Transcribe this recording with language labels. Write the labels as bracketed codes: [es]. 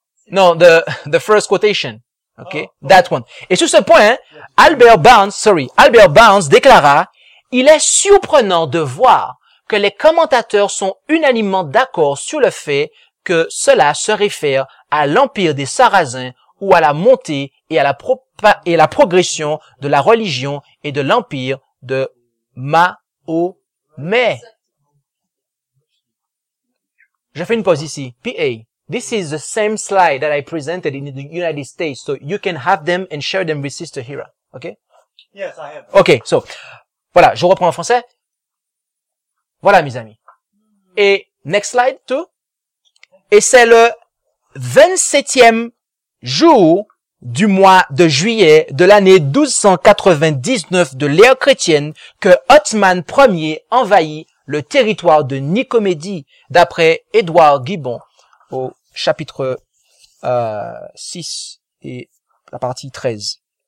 [fr] Non, [en] the first quotation. Okay, that one. [fr] Et sur ce point, Albert Barnes déclara, il est surprenant de voir que les commentateurs sont unanimement d'accord sur le fait que cela se réfère à l'empire des Sarrasins ou à la montée et à la progression de la religion et de l'empire de Mahomet. Je fais une pause ici. [en] PA, this is the same slide that I presented in the United States, so you can have them and share them with Sister Hira. Okay? Yes, I have. Okay, so, [fr] voilà, je reprends en français. Voilà, mes amis. Et, [en] next slide, too. [fr] Et c'est le 27e jour du mois de juillet de l'année 1299 de l'ère chrétienne que Othman Ier envahit le territoire de Nicomédie d'après Édouard Gibbon au chapitre 6 et la partie 13.